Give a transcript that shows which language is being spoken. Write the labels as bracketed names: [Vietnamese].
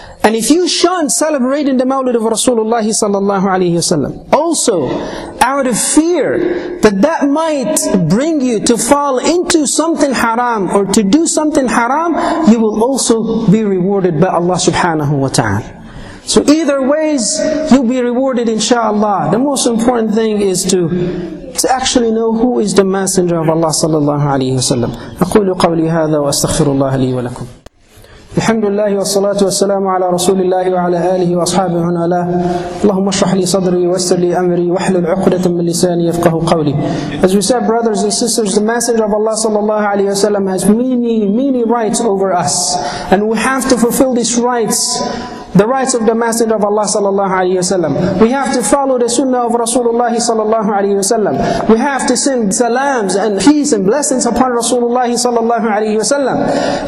[English] And if you shun celebrating the Mawlid of Rasulullah sallallahu alayhi wa sallam, also out of fear that that might bring you to fall into something haram or to do something haram, you will also be rewarded by Allah subhanahu wa ta'ala. So either ways, you'll be rewarded inshaAllah. The most important thing is to actually know who is the Messenger of Allah sallallahu alayhi wa sallam. [Arabic] أَقُولُ قَوْلِي هَذَا وَأَسْتَغْفِرُ اللَّهَ لِي وَلَكُمْ. الحمد لله والصلاة والسلام على رسول الله وعلى آله وأصحابه من والاه. اللهم اشرح لي صدري ويسر لي أمري واحلل عقدة من لساني يفقه قولي. [English] As we said, brothers and sisters, the Messenger of Allah sallallahu alayhi wa sallam has many, many rights over us. And we have to fulfill these rights. The rights of the Messenger of Allah sallallahu alayhi wa sallam. We have to follow the sunnah of Rasulullah sallallahu alayhi wa sallam. We have to send salams and peace and blessings upon Rasulullah sallallahu alayhi wa sallam.